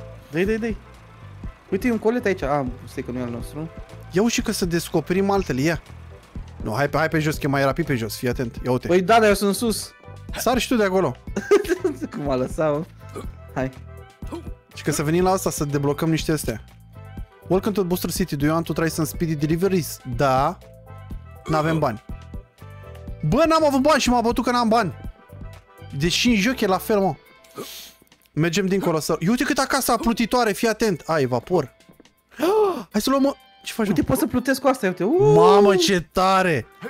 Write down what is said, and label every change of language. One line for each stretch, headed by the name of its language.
Romanian: Dă-i. Uite, e un colet aici. Stai că nu e al nostru. Ia uși că să descoperim altele, ia. Nu, hai pe jos, că mai rapid pe jos. Fii atent, ia uite. Păi da, dar eu sunt sus. Sar și tu de acolo. Cum a lăsat, mă. Hai. Și că să venim la asta, să deblocăm niște astea.
English: Welcome to Booster City, do you want to try some speedy deliveries?
Romanian: Da. N-avem bani. Bă, n-am avut bani și m-a bătut că n-am bani. Deci și în joc e la fel, mă. Mergem dincolo să... Uite cât acasă a plutitoare, fii atent. Ai, vapor. Hai să luăm, mă. Ce faci, uite, pot să plutesc cu asta, uite. Mamă, ce tare.